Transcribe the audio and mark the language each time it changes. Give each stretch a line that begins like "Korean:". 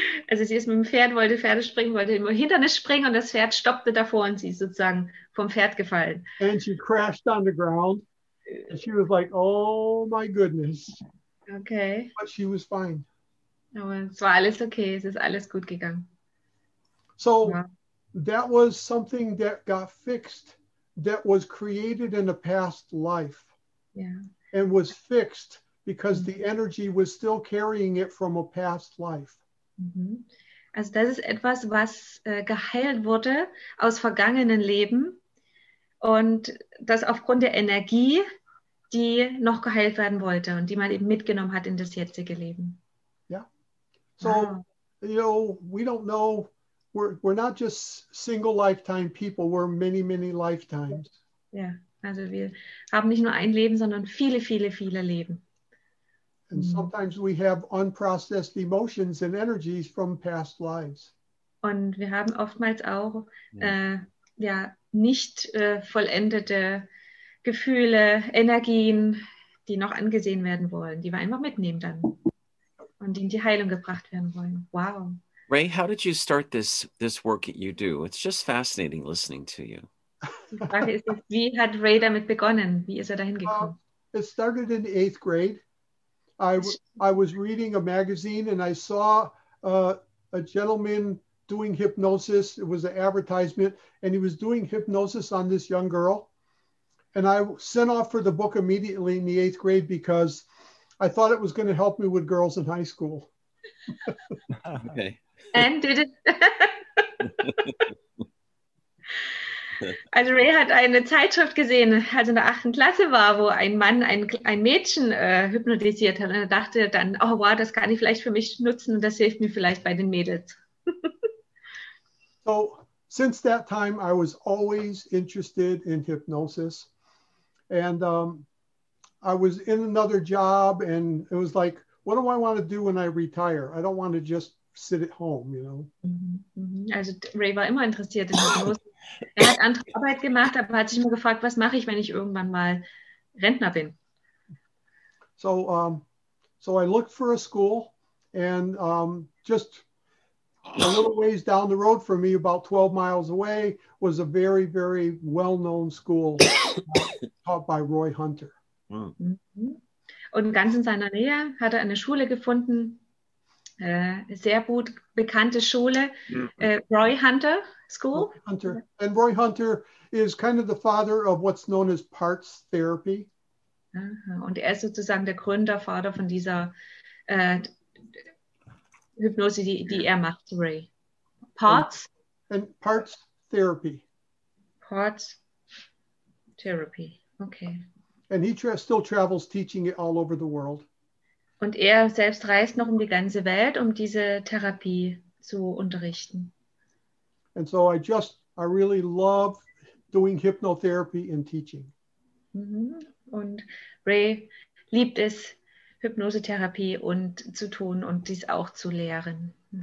German: Also sie ist mit dem Pferd, wollte Pferde springen, wollte im Hindernis springen und das Pferd stoppte davor und sie ist sozusagen vom Pferd gefallen.
English: And she crashed on the ground. And she was like, oh my goodness. Okay. But she was fine.
German: Aber es war alles okay, es ist alles gut gegangen.
English: So that was something that got fixed, that was created in a past life. Yeah. And was fixed because the energy was still carrying it from a past life.
German: Also das ist etwas, was geheilt wurde aus vergangenen Leben und das aufgrund der Energie, die noch geheilt werden wollte und die man eben mitgenommen hat in das jetzige Leben.
English: Yeah. So, wow. You know, we don't know, we're not just single lifetime people, we're many, many lifetimes. Yeah.
German: Also wir haben nicht nur ein Leben, sondern viele, viele, viele Leben.
English: And sometimes we have unprocessed emotions and energies from past lives.
German: Und wir haben oftmals auch nicht vollendete Gefühle, Energien, die noch angesehen werden wollen, die wir einfach mitnehmen dann und in die Heilung gebracht werden wollen.
English: Wow. Ray, how did you start this work that you do? It's just fascinating listening to you.
German: Wie hat Ray damit begonnen? Wie ist er dahin gekommen?
English: It started in the 8th grade. I was reading a magazine and I saw a gentleman doing hypnosis. It was an advertisement and he was doing hypnosis on this young girl. And I sent off for the book immediately in the 8th grade because I thought it was going to help me with girls in high school. Okay. And did it...
German: Also Ray hat eine Zeitschrift gesehen, als er in der 8. Klasse war, wo ein Mann ein Mädchen hypnotisiert hat. Und er dachte dann,
English: oh wow,
German: das kann ich vielleicht für mich nutzen und das hilft mir vielleicht bei den Mädels.
English: So, since that time, I was always interested in hypnosis. And I was in another job and it was like, what do I want to do when I retire? I don't want to just sit at home, you know.
German: Also Ray war immer interessiert in Hypnosis. Er hat andere Arbeit gemacht, aber hat sich nur gefragt, was mache ich, wenn ich irgendwann mal Rentner bin?
English: So, so I looked for a school and just a little ways down the road from me, about 12 miles away, was a very, very well-known school taught by Roy Hunter. Mm.
German: Und ganz in seiner Nähe hat er eine Schule gefunden, sehr gut bekannte Schule, Roy Hunter.
English: School. Hunter. And Roy Hunter is kind of the father of what's known as parts therapy.
German: Und er ist sozusagen der Gründervater von dieser Hypnose, die er macht, Ray. Parts?
English: And parts therapy. Heart Therapy. Okay. And he still travels teaching it all over the world.
German: Und selbst reist noch die ganze Welt, diese Therapie zu unterrichten.
English: And so I really love doing hypnotherapy and teaching.
German: Und Ray liebt es, Hypnosetherapie und zu tun und dies auch zu lehren.